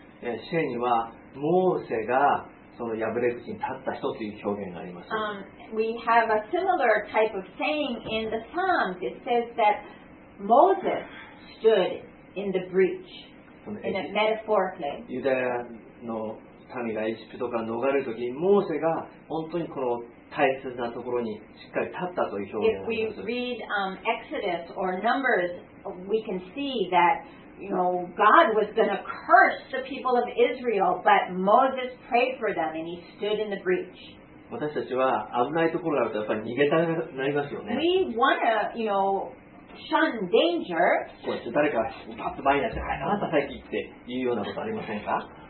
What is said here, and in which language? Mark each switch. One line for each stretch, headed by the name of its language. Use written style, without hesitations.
Japanese: 詩編にはモーセがその破れ口に立った人という表現があります。
English: We have a similar type of saying in the Psalms. It says that Moses stood in the breach, in a metaphorically.
Japanese: ユダヤの民がエジプトから逃れるときに、モーセが本当にこの大切なところにしっかり立ったという表現があります。
English: If we read Exodus or Numbers, we can see that, you know, God was going to curse the people of Israel, but Moses prayed for them and he stood in the breach.
Japanese: 私たちは危ないところがあるとやっぱり逃げたくなりますよね。
English: We want to, you know, shun danger.
Japanese: こうやって誰かパッと前に出して、あなた先行っていうようなことありませんか？